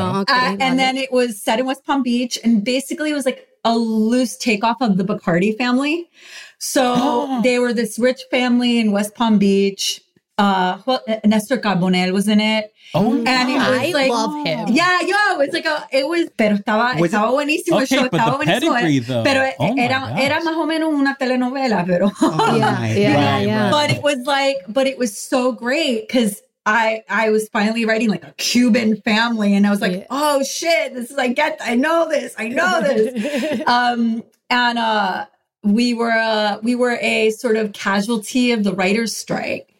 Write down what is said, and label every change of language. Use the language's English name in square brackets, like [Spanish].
[English] And then it was set in West Palm Beach and basically it was like a loose takeoff of the Bacardi family. So they were this rich family in West Palm Beach. Nestor Carbonell was in it. Oh, and it was like, I love him. Yeah, yo, it's like [Spanish] estaba buenísimo. [English] Okay, but the pedigree, though. [Spanish] Pero era más o menos una telenovela, pero. [English] But it was so great because I was finally writing like a Cuban family and I was like, oh shit, this is like, I know this. we were a sort of casualty of the writer's strike.